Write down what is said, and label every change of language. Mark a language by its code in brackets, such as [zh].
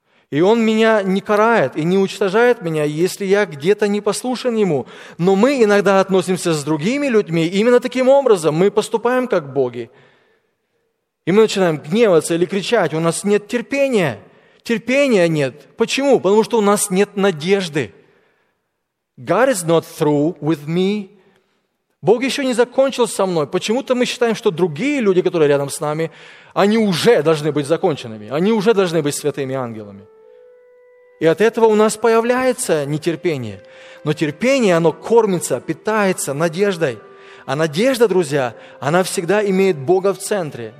[ru] И Он меня не карает и не уничтожает меня, если я где-то не послушен Ему. Но мы иногда относимся с другими людьми именно таким образом. Мы поступаем как боги. И мы начинаем гневаться или кричать. У нас нет терпения. Терпения нет. Почему? Потому что у нас нет надежды. [en] God is not through with me. [ru] Бог еще не закончил со мной. Почему-то мы считаем, что другие люди, которые рядом с нами, они уже должны быть законченными. Они уже должны быть святыми ангелами. И от этого у нас появляется нетерпение. Но терпение, оно кормится, питается надеждой. А надежда, друзья, она всегда имеет Бога в центре.